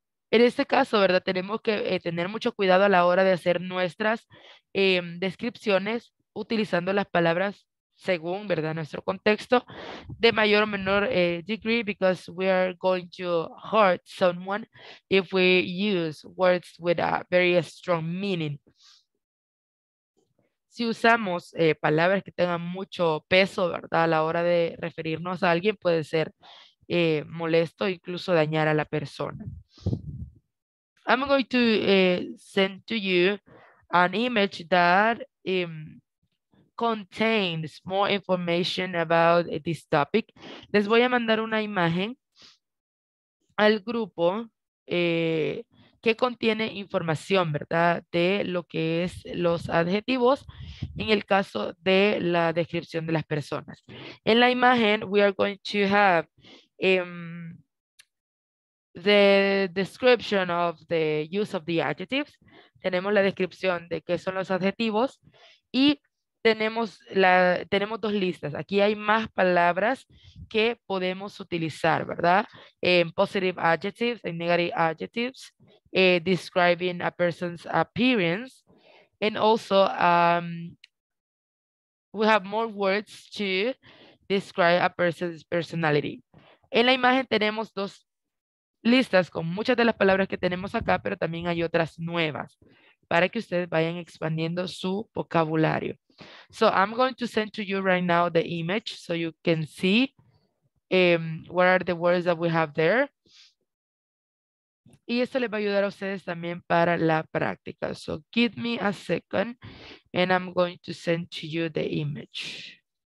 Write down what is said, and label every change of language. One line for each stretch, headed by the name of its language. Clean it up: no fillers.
Spanish: En este caso, ¿verdad? Tenemos que tener mucho cuidado a la hora de hacer nuestras descripciones utilizando las palabras según, ¿verdad?, nuestro contexto, de mayor o menor
English: degree, because we are going to hurt someone if we use words with a very strong meaning.
Spanish: Si usamos palabras que tengan mucho peso, ¿verdad?, a la hora de referirnos a alguien, puede ser molesto, incluso dañar a la persona.
English: I'm going to send to you an image that contains more information about this topic.
Spanish: Les voy a mandar una imagen al grupo que contiene información, ¿verdad?, de lo que es los adjetivos en el caso de la descripción de las personas. En la imagen,
English: we are going to have the description of the use of the adjectives.
Spanish: Tenemos la descripción de qué son los adjetivos y tenemos dos listas. Aquí hay más palabras que podemos utilizar, ¿verdad?
English: En positive adjectives and negative adjectives, describing a person's appearance. And also, we have more words to describe a person's personality.
Spanish: En la imagen tenemos dos listas con muchas de las palabras que tenemos acá, pero también hay otras nuevas para que ustedes vayan expandiendo su vocabulario.
English: So I'm going to send to you right now the image so you can see what are the words that we have there.
Spanish: Y esto les va a ayudar a ustedes también para la práctica.
English: So give me a second and I'm going to send to you the image.